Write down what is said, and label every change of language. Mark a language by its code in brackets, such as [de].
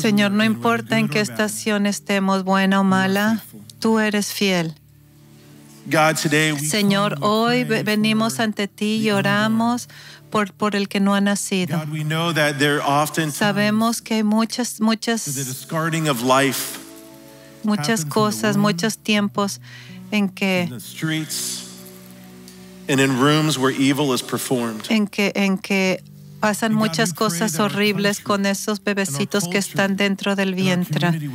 [es] Señor, no importa en qué estación estemos, buena o mala, tú eres fiel. [en] God, today we [es] Señor, hoy venimos ante ti y oramos por el que no ha nacido. [en] God, we know that there often [es] sabemos que hay muchas [en] the discarding of life [es] muchas cosas, [en] in the [es] muchos tiempos en que [en] in the streets, and in rooms where evil is performed. [es] En que pasan muchas cosas horribles con esos bebecitos que están dentro del vientre.